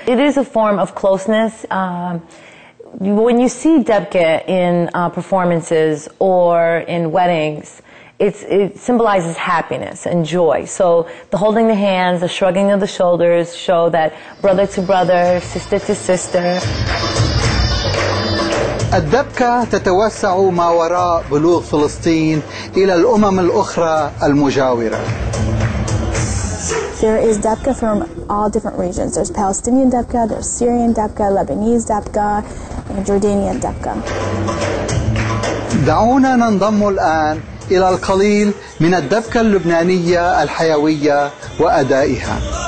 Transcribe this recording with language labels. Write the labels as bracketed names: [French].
[English] It is a form of closeness. When you see Dabka in performances or in weddings, it symbolizes happiness and joy. So the holding the hands, the shrugging of the shoulders show that brother to brother, sister to sister. [Arabic] الدبكة تتوسع ما وراء بلوغ فلسطين إلى الأمم الأخرى المجاورة. [English] There is Dabka from all different regions. There's Palestinian Dabka, there's Syrian Dabka, Lebanese Dabka, and Jordanian Dabka. [Arabic] دعونا ننضم الآن إلى القليل من الدبكة اللبنانية الحيوية وأدائها.